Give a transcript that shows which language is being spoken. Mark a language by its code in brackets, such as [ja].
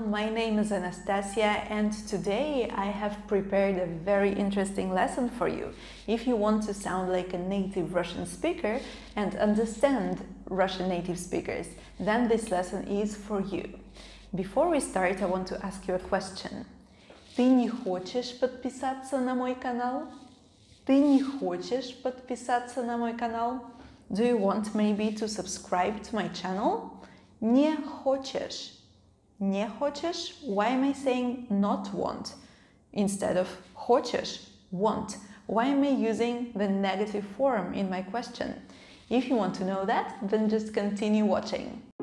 [en] My name is Anastasia and today I have prepared a very interesting lesson for you. If you want to sound like a native Russian speaker and understand Russian native speakers, then this lesson is for you. Before we start, I want to ask you a question. [ru] Ты не хочешь подписаться на мой канал? Ты не хочешь подписаться на мой канал? [en] Do you want maybe to subscribe to my channel? [ru] Не хочешь. Не хочешь? [en] Why am I saying not want instead of хочешь, want? Why am I using the negative form in my question? If you want to know that, then just continue watching.